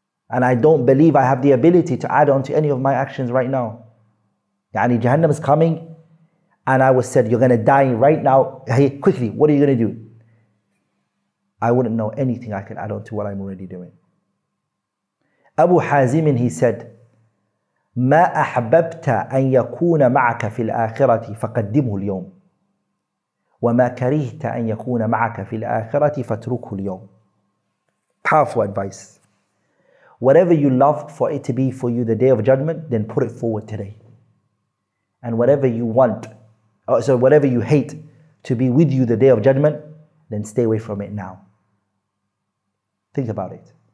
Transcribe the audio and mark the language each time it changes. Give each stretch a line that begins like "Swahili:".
English: And I don't believe I have the ability to add on to any of my actions right now. يعني Jahannam is coming, and I was said, you're going to die right now. Hey, quickly, what are you going to do? I wouldn't know anything I can add on to what I'm already doing. Abu Hazim, he said,
Arabic: ما أحببت أن يكون معك في الآخرة فقدمه اليوم وما كرهت أن يكون معك في الآخرة فاتركه اليوم.
English: Powerful advice. Whatever you love for it to be for you the day of judgment, then put it forward today. And whatever you want, so whatever you hate to be with you the day of judgment, then stay away from it now. Think about it.